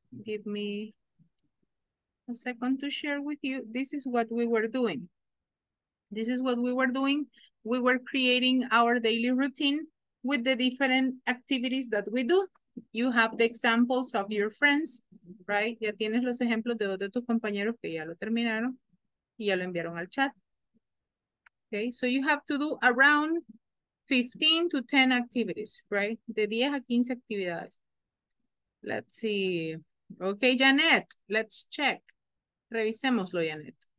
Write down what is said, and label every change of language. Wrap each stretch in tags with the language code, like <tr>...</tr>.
<en>Give me a second to share with you. This is what we were doing. This is what we were doing. We were creating our daily routine with the different activities that we do. You have the examples of your friends, right?</en> <es>Ya tienes los ejemplos de dos de tus compañeros que ya lo terminaron y ya lo enviaron al chat.</es> <en>Okay, so you have to do around 15 to 10 activities, right?</en> <es>De 10 a 15 actividades.</es> <en>Let's see. Okay, Janet, let's check.</en> <es>Revisémoslo,</es> <en>Janet.</en>